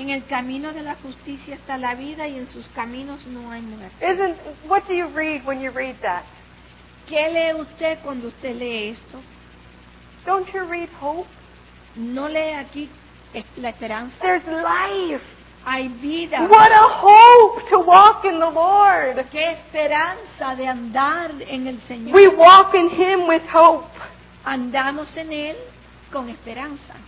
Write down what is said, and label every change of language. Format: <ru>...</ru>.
<es>En el camino de la justicia está la vida y en sus caminos no hay muerte.</es> <en>Isn't, what do you read when you read that?</en> <es>¿Qué lee usted cuando usted lee esto?</es> <en>Don't you read hope?</en> <es>¿No lee aquí la esperanza?</es> <en>There's life.</en> <es>Hay vida.</es> <en>What a hope to walk in the Lord.</en> <es>Qué esperanza de andar en el Señor.</es> <en>We walk in Him with hope.</en> <es>Andamos en Él con esperanza.</es>